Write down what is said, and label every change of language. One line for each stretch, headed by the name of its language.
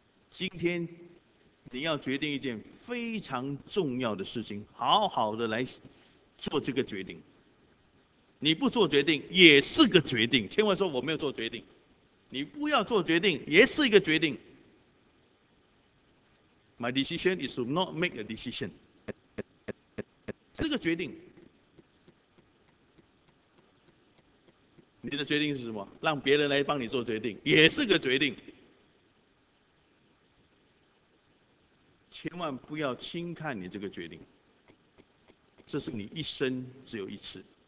Chinese: 今天你要决定一件非常重要的事情，好好的来做这个决定。你不做决定也是个决定，千万说我没有做决定，你不要做决定，也是一个决定。
English: My decision is to not make a decision.
Chinese: 这个决定，你的决定是什么？让别人来帮你做决定，也是个决定。千万不要轻看你这个决定，这是你一生只有一次。